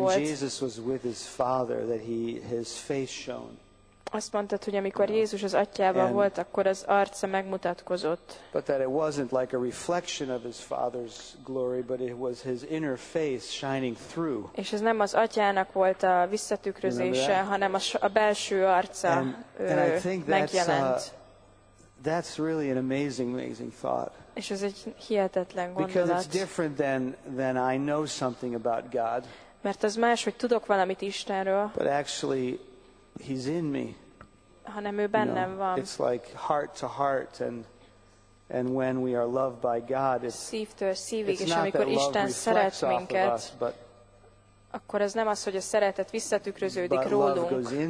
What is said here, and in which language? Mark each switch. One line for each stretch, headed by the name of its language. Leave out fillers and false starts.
English: When Jesus was with his father, that his face shone.
Hungarian: Azt mondtad, hogy amikor Jézus az atyával volt, akkor az arca megmutatkozott.
English: But that it wasn't like a reflection of his father's glory, but it was his inner face shining through.
Hungarian: És ez nem az atyának volt a visszatükrözése, hanem a belső arca megjelent.
English: That's really an amazing thought.
Hungarian: És ez egy hihetetlen gondolat.
English: Because it's different than I know something about God.
Hungarian: Mert az más, hogy tudok valamit Istenről.
English: But actually he's in me.
Hungarian: Hanem ő bennem van.
English: It's like heart to heart, And when we are loved by God, it's not that love reflects off of us, but
Hungarian: akkor ez nem az, hogy a szeretet visszatükröződik rólunk,